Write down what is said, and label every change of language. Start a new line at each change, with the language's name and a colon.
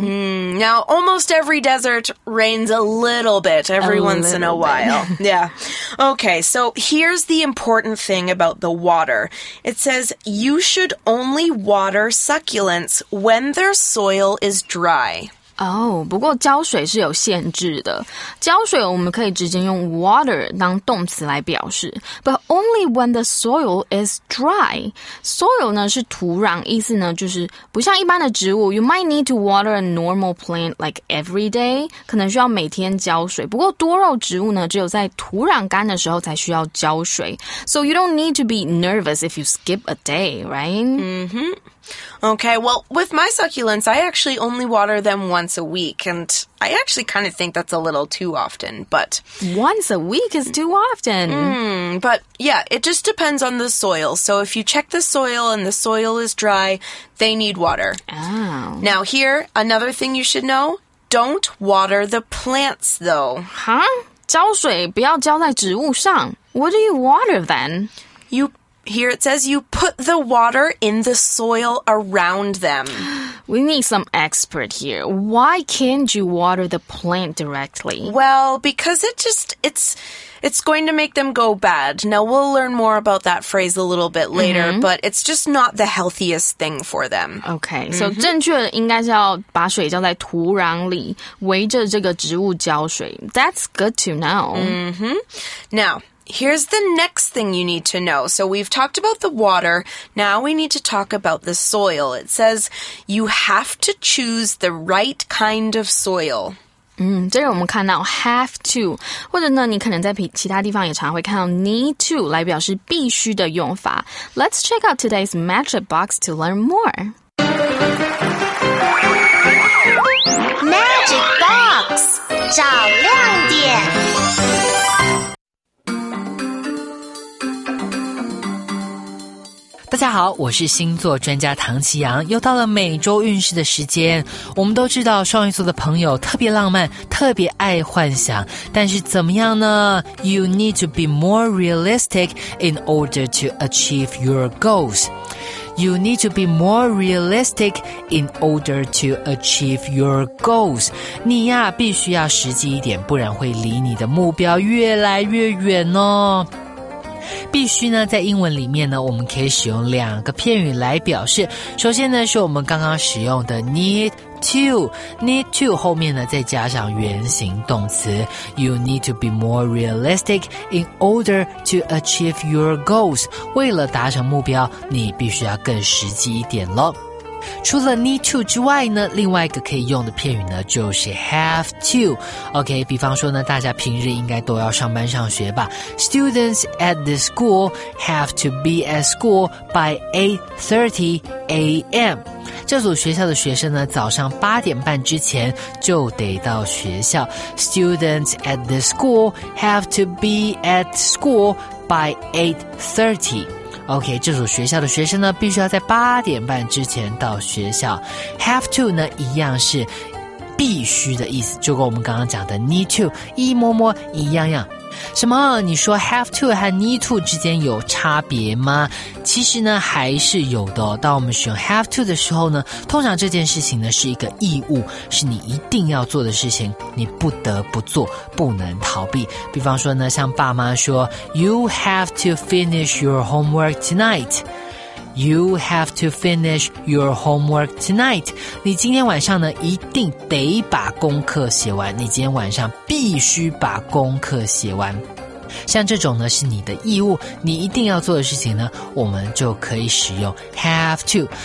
English: Now, almost every desert rains a little bit every once in a while. Yeah. Okay, so here's the important thing about the water. It says, you should only water succulents when their soil is dry.
Chinese: Oh, 不过浇水是有限制的。浇水我们可以直接用 water 当动词来表示。
English: But only when the soil is dry.
Chinese: Soil 呢是土壤，意思呢就是不像一般的植物。
English: You might need to water a normal plant like every day.
Chinese: 可能需要每天浇水。不过多肉植物呢只有在土壤干的时候才需要浇水。
English: So you don't need to be nervous if you skip a day, right? Mm-hmm. Okay, well, with my succulents, I actually only water them once a week, and I actually kind of think that's a little too often, but... Once a week is too often! But, yeah, it just depends on the soil. So if you check the soil and the soil is dry, they need water. Oh. Now here, another thing you should know, don't water the plants, though. Huh?
Chinese: 浇水不要浇在植物上。
English: What do you water, then? Here it says you put the water in the soil around them. We need some expert here. Why can't you water the plant directly? Well, because it's going to make them go bad. Now, we'll learn more about that phrase a little bit later,、mm-hmm. but it's just not the healthiest thing for them. Okay, so、mm-hmm.
Chinese: 正确应该是要把水浇在土壤里围着这个植物浇水。
English: That's good to know. Mm-hmm. Now... Here's the next thing you need to know. So we've talked about the water. Now we need to talk about the soil. It says you have to choose the right kind of soil.
Chinese: 这个我们看到 have to, 或者呢你可能在其他地方也常会看到 need to 来表示必须的用法。
English: Let's check out today's matchup box to learn more.
Chinese: Magic box, 找亮点。大家好，我是星座专家唐奇阳，又到了每周运势的时间。我们都知道双鱼座的朋友特别浪漫，特别爱幻想，但是怎么样呢？
English: You need to be more realistic in order to achieve your goals. You need to be more realistic in order to achieve your goals.
Chinese: 你呀，必须要实际一点，不然会离你的目标越来越远哦。必须呢，在英文里面呢，我们可以使用两个片语来表示。首先呢，是我们刚刚使用的 need to 后面呢，再加上原形动词
English: you need to be more realistic in order to achieve your goals。
Chinese: 为了达成目标，你必须要更实际一点咯。除了 need to 之外呢，另外一个可以用的片语呢就是 have to。 OK， 比方说呢，大家平日应该都要上班上学吧。
English: Students at the school have to be at school by 8:30 a.m.
Chinese: 这所学校的学生呢，早上八点半之前就得到学校。
English: Students at the school have to be at school by 8:30。
Chinese: OK， 这所学校的学生呢必须要在八点半之前到学校。 Have to 呢一样是必须的意思，就跟我们刚刚讲的 need to 一摸摸一样样。什么？你说 have to 和 need to 之间有差别吗？其实呢还是有的、哦、当我们使用 have to 的时候呢，通常这件事情呢是一个义务，是你一定要做的事情，你不得不做，不能逃避。比方说呢，像爸妈说
English: You have to finish your homework tonight. You have to finish your homework tonight.
Chinese: 你今天晚上呢一定得把功课写完，你今天晚上必须把功课写完。像这种呢是你的义务，你一定要做的事情呢，我们就可以使用 have to。